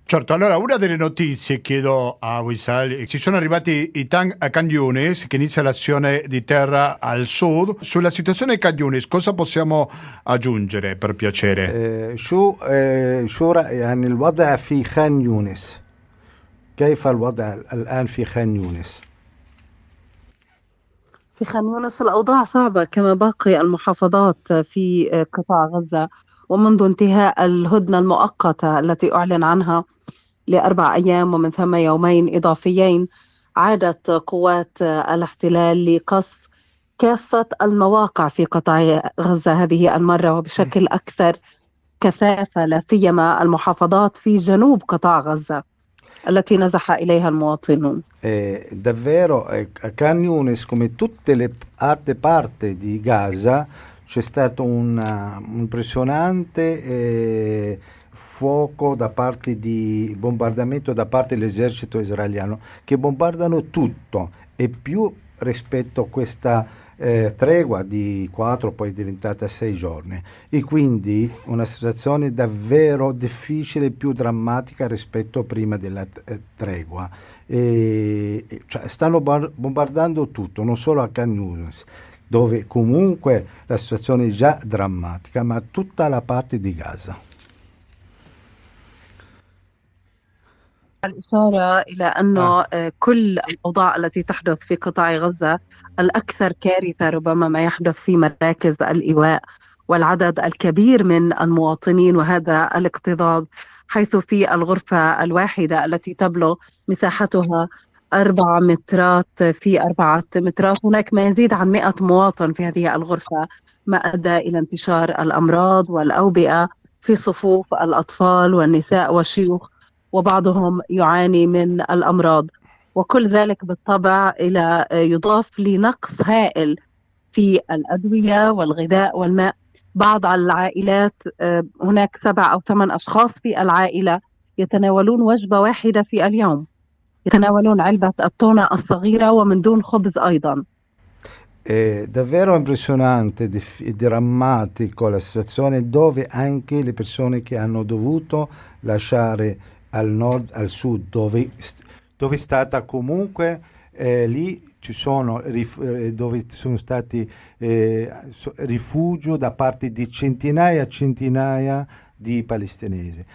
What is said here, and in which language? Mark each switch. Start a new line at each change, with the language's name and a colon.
Italian: Certo, allora una delle notizie, chiedo a Wissal, ci sono arrivati i tank a Khan Yunis, che inizia l'azione di terra al sud. Sulla situazione di Khan Yunis cosa possiamo aggiungere, per piacere?
Arabic: Shura il wada fi Khan Yunis, كيف الوضع الان في Khan Yunis. في خان يونس الأوضاع صعبة كما باقي المحافظات في قطاع غزة، ومنذ انتهاء الهدنة المؤقتة التي أعلن عنها لأربع أيام ومن ثم يومين إضافيين، عادت قوات الاحتلال لقصف كافة المواقع في قطاع غزة هذه المرة وبشكل أكثر كثافة، لا سيما المحافظات في جنوب قطاع غزة التي نزح إليها المواطنون.
Italian: Davvero, a Khan Yunis, come tutte le altre parti di Gaza, c'è stato un impressionante fuoco da parte di bombardamento da parte dell'esercito israeliano, che bombardano tutto, e più rispetto a questa tregua di 4, poi è diventata 6 giorni, e quindi una situazione davvero difficile, più drammatica rispetto a prima della tregua. Cioè, stanno bombardando tutto, non solo a Khan Yunis, dove comunque la situazione è già drammatica, ma tutta la parte di Gaza.
Arabic: الإشارة إلى أنه كل الأوضاع التي تحدث في قطاع غزة الأكثر كارثة ربما ما يحدث في مراكز الإيواء والعدد الكبير من المواطنين وهذا الاكتظاظ، حيث في الغرفة الواحدة التي تبلغ مساحتها 4 مترات في 4 مترات هناك ما يزيد عن 100 مواطن في هذه الغرفة، ما أدى إلى انتشار الأمراض والأوبئة في صفوف الأطفال والنساء والشيوخ، وبعضهم يعاني من الأمراض، وكل ذلك بالطبع إلى يضاف لنقص هائل في الأدوية والغذاء والماء. بعض العائلات هناك 7 أو 8 أشخاص في العائلة يتناولون وجبة واحدة في اليوم، يتناولون علبة التونة الصغيرة ومن دون خبز أيضا.
Italian: Davvero impressionante, drammatico la situazione dove anche le persone che hanno dovuto lasciare al nord, al sud, dove è stata comunque lì ci sono dove sono stati rifugio da parte di centinaia e centinaia di palestinesi.